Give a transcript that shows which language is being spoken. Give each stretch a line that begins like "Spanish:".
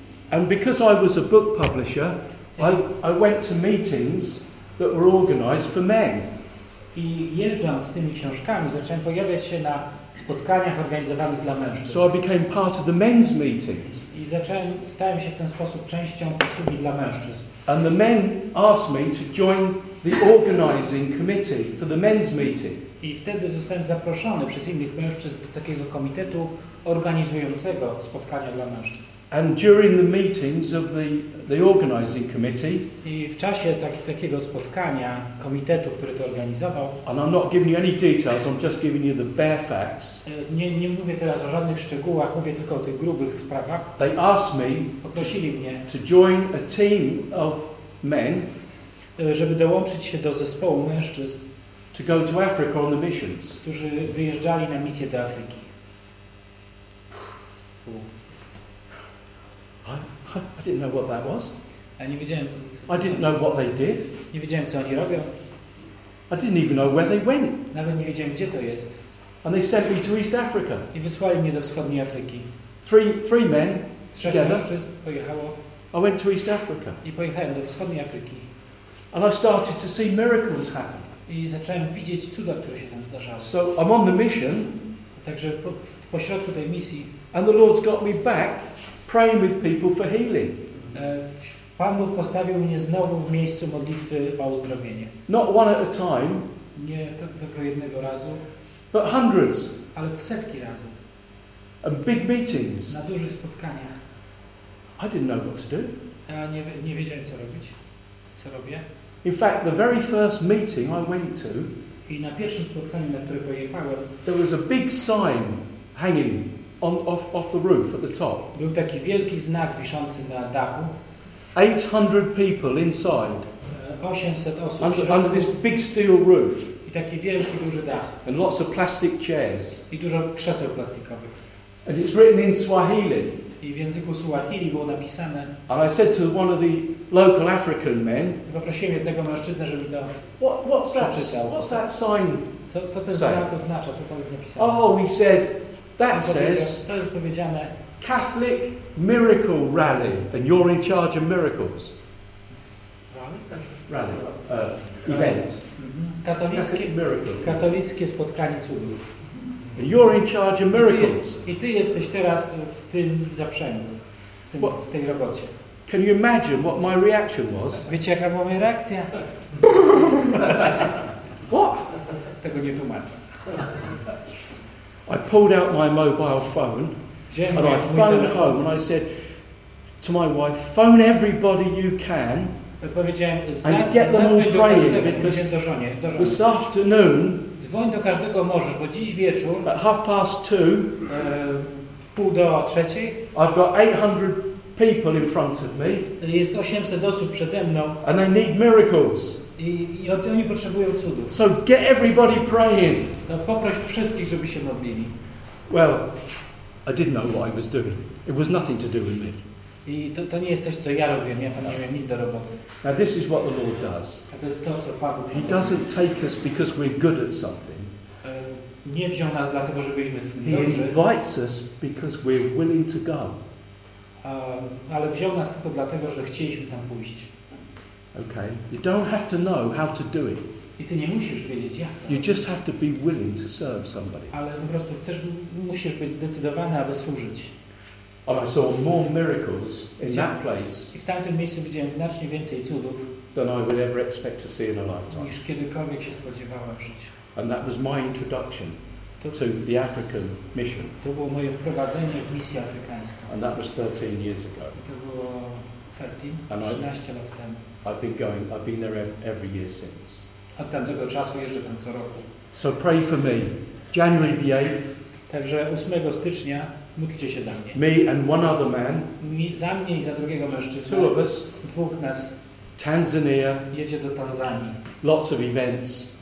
English: And because I was a book publisher, I went to meetings that were organized for men.
Polish: I jeżdżąc z tymi książkami, zacząłem pojawiać się na spotkaniach organizowanych dla mężczyzn.
English: So I became part of the men's meetings.
Polish: I stałem się w ten sposób częścią klubu dla mężczyzn.
English: And the men asked me to join the organizing committee for the men's meeting.
Polish: I wtedy zostałem zaproszony przez innych mężczyzn do takiego komitetu organizującego spotkania dla mężczyzn.
English: And during the meetings of the organizing committee,
Polish: i w czasie takiego spotkania komitetu, który to organizował,
English: and I'm not giving you any details, I'm just giving you the bare facts.
Polish: Nie mówię teraz o żadnych szczegółach, mówię tylko o tych grubych sprawach.
English: They asked me,
Polish: poprosili mnie,
English: to join a team of men,
Polish: żeby dołączyć się do zespołu mężczyzn,
English: to go to Africa on the missions,
Polish: którzy wyjeżdżali na misję do Afryki.
English: I didn't know what that was.
Polish: Nie wiedziałem,
English: I didn't know what they did.
Polish: Nie wiedziałem, co oni robią.
English: I didn't even know where they went.
Polish: Nawet nie wiedziałem, gdzie to jest.
English: And they sent me to East Africa.
Polish: I wysłali mnie do wschodniej Afryki.
English: Three men.
Polish: Trzech mężczyzn pojechało.
English: I went to East Africa.
Polish: I pojechałem do wschodniej Afryki.
English: And I started to see miracles happen.
Polish: I zacząłem widzieć cuda, które się tam zdarzały.
English: So I'm on the mission.
Polish: Także pośrodku tej misji.
English: And the Lord's got me back. Praying with people for healing.
Polish: Pan Bóg postawił mnie znowu w miejscu modlitwy o uzdrowienie.
English: Not one at a time.
Polish: Nie tylko jednego razu.
English: But hundreds.
Polish: Ale setki razy.
English: And big meetings.
Polish: Na dużych spotkaniach.
English: I didn't know what to do.
Polish: Nie wiedziałem, co robić. Co robię?
English: In fact, the very first meeting I went to.
Polish: I na pierwszym spotkaniu, na które pojechałem.
English: There was a big sign hanging. Off the roof at the top.
Polish: Był taki wielki znak wiszący na dachu.
English: 800 people inside.
Polish: 800 osób.
English: Under this big steel roof.
Polish: I taki wielki duży dach.
English: And lots of plastic chairs.
Polish: I dużo krzeseł plastikowych.
English: And it's written in Swahili.
Polish: I w języku Swahili było napisane.
English: And I said to one of the local African men.
Polish: I poprosiłem jednego mężczyznę, żeby to przeczytał.
English: What's that sign?
Polish: Co ten znak oznacza? Co tam jest napisane?
English: Oh, he said that says.
Polish: To jest powiedziane.
English: Catholic miracle rally, and you're in charge of miracles. Rally, event.
Polish: Katolickie miracle. Katolickie spotkanie cudów.
English: And you're in charge of miracles.
Polish: I ty jesteś teraz w tym zaprzęgu, w tej robocie.
English: Can you imagine what my reaction was?
Polish: Wiecie, jaka była moja reakcja?
English: What?
Polish: Tego nie tłumaczę.
English: I pulled out my mobile phone. And I phoned home and I said to my wife, phone everybody you can and get them all praying because this afternoon
Polish: dzwoń do każdego możesz, bo dziś wieczór
English: at 2:30
Polish: w pół do trzeciej
English: I've got 800 people in front of me
Polish: jest 800 osób przede mną
English: and they need miracles.
Polish: I oni potrzebują cudów.
English: So get everybody praying.
Polish: To poproś wszystkich, żeby się modlili.
English: Well, I didn't know what I was doing. It was nothing to do with me.
Polish: I to nie jest coś, co ja robiłem. Ja to nie miałem nic do roboty.
English: Now this is what the Lord does.
Polish: A to jest to, co Pan robi.
English: He doesn't take us because we're good at something.
Polish: Nie wziął nas dlatego, że byliśmy dobrzy.
English: He invites us because we're willing to go.
Polish: Ale wziął nas tylko dlatego, że chcieliśmy tam pójść.
English: Okay. You don't have to know how to do it.
Polish: I ty nie musisz wiedzieć, jak to.
English: You just have to be willing to serve somebody.
Polish: Ale po prostu musisz być zdecydowany, aby służyć.
English: And I saw more miracles in that place.
Polish: I w tamtym miejscu widziałem znacznie więcej cudów.
English: Than I would ever expect to see in a lifetime.
Polish: Niż kiedykolwiek się spodziewałem w życiu.
English: And that was my introduction to the African mission.
Polish: To było moje wprowadzenie w misję afrykańską.
English: And that was 13 years ago.
Polish: I to było 13 lat temu.
English: I've been there every year since.
Polish: Od tamtego czasu jeżdżę tam co roku.
English: So pray for me. January the 8th.
Polish: Także 8 stycznia módlcie się za mnie.
English: Me and one other man.
Polish: Za mnie i za drugiego mężczyznę.
English: Two of us.
Polish: Dwóch nas.
English: Tanzania.
Polish: Jedzie do Tanzanii.
English: Lots of events.